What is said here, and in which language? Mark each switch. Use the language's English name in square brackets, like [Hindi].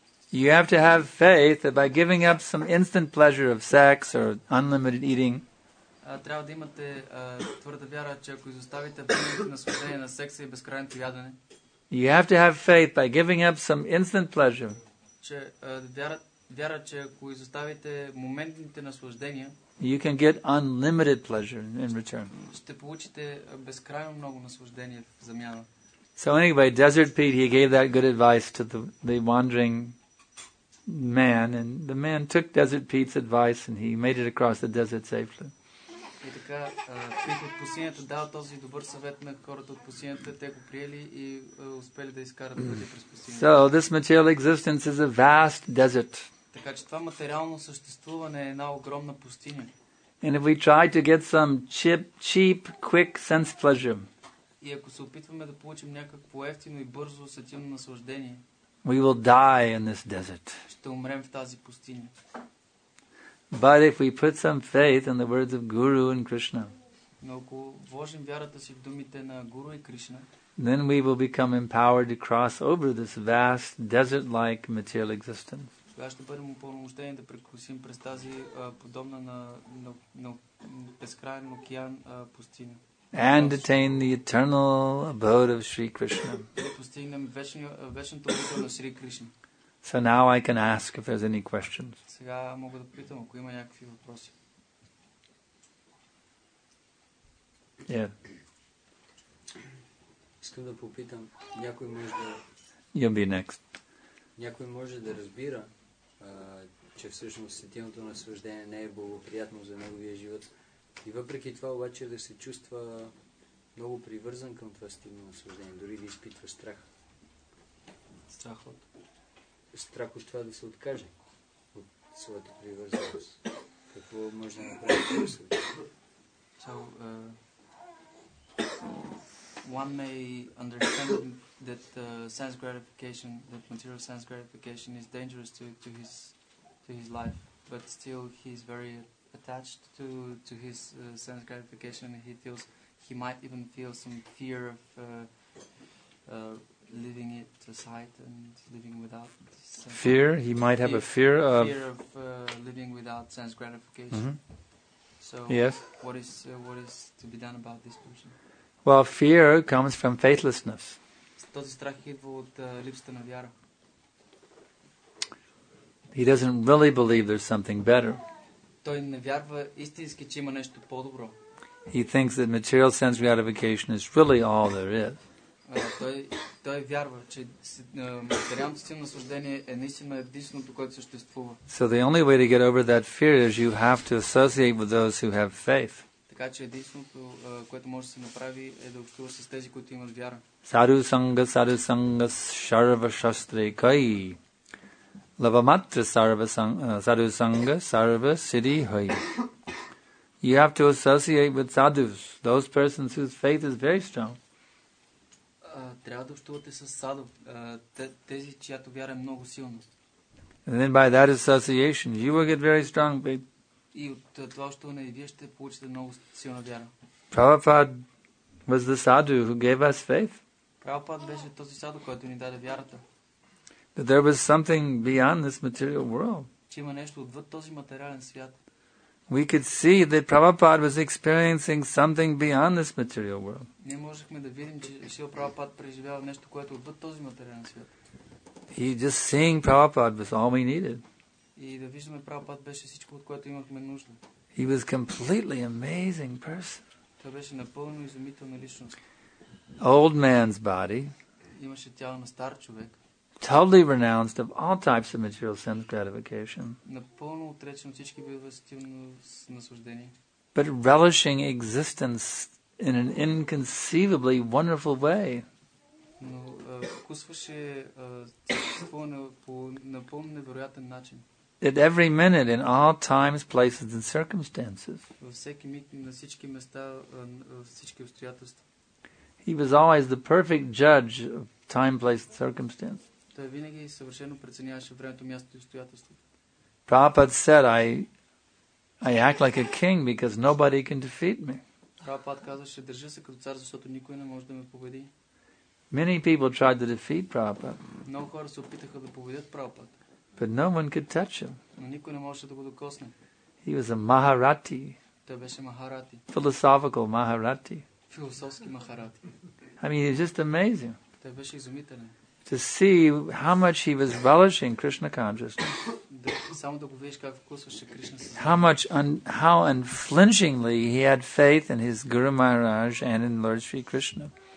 [English] You have to have faith that by giving up some instant pleasure of sex or unlimited eating, [Bulgarian] трябва да имате твърда вяра, че ако изоставите времето на наслаждение на секса и безкрайното ядене. [English] You have to have faith by giving up some instant pleasure. [Bulgarian] Че вяра, че ако изоставите моментните наслаждения, [English] you can get unlimited pleasure in return. [Bulgarian] Ще получите безкрайно много наслаждение в замяна. [English] So anyway, Desert Pete, he gave that good advice to the wandering man, and the man took Desert Pete's advice and he made it across the desert safely. [Bulgarian] И така, Пит от пустинята дава този добър съвет на хората от пустинята, те го приели и успели да изкарат пътя през пустинята. [English] So this material existence is a vast desert. [Bulgarian] Така че това материално съществуване е една огромна пустиня. [English] And if we try to get some cheap, quick sense pleasure, [Bulgarian] и ако се опитваме да получим някакво ефтино и бързо усетимо наслаждение, [English] we will die in this desert. [Bulgarian] Ще умрем в тази пустиня. [English] But if we put some faith in the words of Guru and Krishna, [Bulgarian] но ако вложим вярата си в думите на Гуру и Кришна, [English] then we will become empowered to cross over this vast desert-like material existence. [Bulgarian] Тогава ще бъдем упълномощени да прекусим през тази подобна на безкрайен океан пустиня. [English] And attain the eternal abode of Sri Krishna. [Bulgarian] Да постигнем вечното обитание на Шри Кришна. [English] So now I can ask if there's any questions. [Bulgarian] Сега мога да питам ако има някакви въпроси. [English] Yeah. [Bulgarian] Искам да попитам, някой може да... [English] You'll be next. [Bulgarian] Някой може да разбира, че всъщност сетилното наслаждение не е благоприятно за неговия живот. И въпреки това обаче да се чувства много привързан към това стимно наслаждение, дори да изпитва страх. Страх от? Страх от това да се откаже от своята привързаност. Какво може да направи в това съвет? [English] One may understand that sense gratification, that material sense gratification is dangerous to his life, but still he is very attached to his sense gratification. He feels, he might even feel some fear of leaving it aside and living without sense. Fear? He might have a fear of... Fear of living without sense gratification. Mm-hmm. So yes. what is to be done about this person? Well, fear comes from faithlessness. [Bulgarian] Този страх идва от липсата на вяра. [English] He doesn't really believe there's something better. [Bulgarian] Той не вярва истински, че има нещо по-добро. [English] He thinks that material sense gratification is really all there is. [Bulgarian] Той вярва, че материалното си наслаждение е наистина единственото, което съществува. [English] So the only way to get over that fear is you have to associate with those who have faith. [Bulgarian] Така че единственото, което може да се направи, е да общува с тези, които имат вяра. [Sanskrit] Сарю санга, сарю санга, шарва шастре кай. Лаваматра сарва санга, сарю санга, сарва сиди хай. [English] You have to associate with sadhus, those persons whose faith is very strong. [Bulgarian] Трябва да общувате с садо, тези, чиято вяра е много силна. [English] And then by that association, you will get very strong faith. [Bulgarian] И от това общуване и вие ще получите много силна вяра. [English] Prabhupada was the sadhu who gave us faith. [Bulgarian] Prabhupada беше този саду, който ни даде вярата. [English] That there was something beyond this material world. [Bulgarian] Че има нещо отвъд този материален свят. [English] We could see that Prabhupada was experiencing something beyond this material world. [Bulgarian] Ние можехме да видим, че Шрила Прабхупада преживява нещо, което отвъд този материален свят. [English] He just seeing Prabhupada was all we needed. [Bulgarian] И да виждаме Прабхупад беше всичко, от което имахме нужда. [English] He was completely amazing person. [Bulgarian] Той беше напълно изумителна личност. [English] Old man's body. [Bulgarian] Имаше тяло на стар човек. [English] Totally renounced of all types of material sense gratification. [Bulgarian] Напълно отречен от всички видове стимулно наслаждение. [English] But relishing existence in an inconceivably wonderful way. [Bulgarian] Но вкусваше съществуване по напълно невероятен начин. [English] At every minute, in all times, places, and circumstances. [Bulgarian] Във всеки миг, на всички места, във всички обстоятелства. [English] He was always the perfect judge of time, place, and circumstance. [Bulgarian] Той винаги съвършено преценяваше времето, мястото и обстоятелствата. [English] Prabhupada said, I act like a king because nobody can defeat me. [Bulgarian] Prabhupada казваше, държа се като цар, защото никой не може да ме победи. [English] Many people tried to defeat Prabhupada. [Bulgarian] Много хора се опитаха да победят Prabhupada. [English] But no one could touch him. [Bulgarian] Но никой не можеше да го докосне. [English] He was a Maharati. [Bulgarian] Той беше Махарати. [English] Philosophical Maharati. [Bulgarian] Философски Махарати. [English] I mean, it's just amazing. [Bulgarian] Той беше изумителен. [English] To see how much he was relishing Krishna consciousness. [Bulgarian] Да, само да го видиш как вкусваше Кришна съзнание. [English] How unflinchingly he had faith in his Guru Maharaj and in Lord Sri Krishna.